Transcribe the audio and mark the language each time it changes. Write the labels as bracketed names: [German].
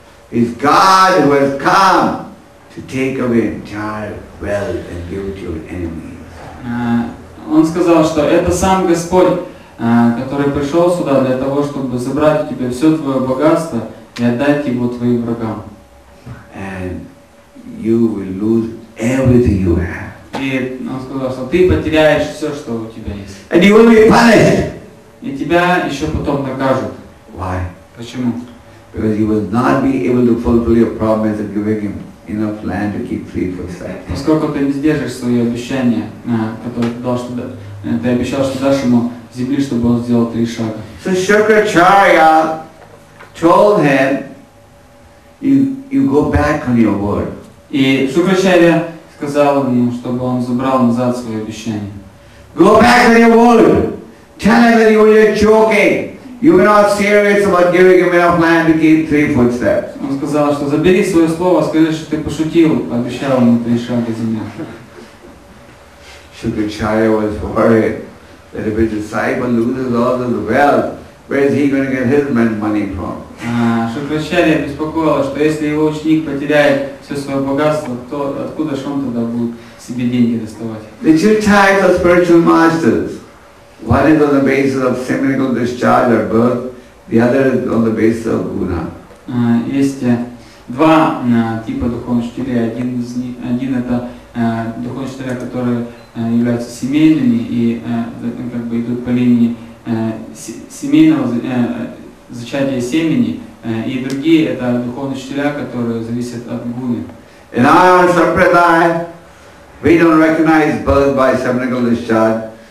[English] It's God who has come to take away entire wealth and give it to your enemies. [Russian] Он сказал, что это сам Господь, который пришел сюда для того, чтобы забрать у тебя все твое богатство и отдать его твоим врагам. [English] And you will lose everything you have. [Russian] И он сказал, что ты потеряешь все, что у тебя есть. [English] And you will be punished. [Russian] И тебя еще потом накажут. [English] Why? [Russian] Почему? [English] Because you will not be able to fulfill your promise of giving him enough land to keep free for sight. [Russian] Поскольку ты не сдержишь свои обещания, которые ты дал, ты обещал, что дашь ему земли, чтобы он сделал три шага. [English] So Shukracharya told him, you go back on your word. [Russian] И Шукрачарья сказал ему, чтобы он забрал назад свои обещания. [English] Go back on your word. Tell him that you were joking. You were not serious about giving him enough land to keep three footsteps. [Russian] Он сказал, что забери своё слово, скажи, что ты пошутил, пообещал ему три шага земли. [English] Шукачарья was worried that if his disciple loses all his wealth, where is he going to get his money from? [Russian] Шукачарья беспокоило, что если его ученик потеряет всё своё богатство, то откуда же он тогда будет себе деньги доставать? [English] The two types of spiritual masters. One is on the basis of seminal discharge or birth, the other is on the basis of guna. [Russian] Есть два типа духовных учителей. Один это духовные учителя, которые являются семейными и как бы идут по линии семейного зачатия семени, и другие это духовные учителя, которые зависят от гуны. [English] In our sampradaya, we don't recognize birth by seminal discharge.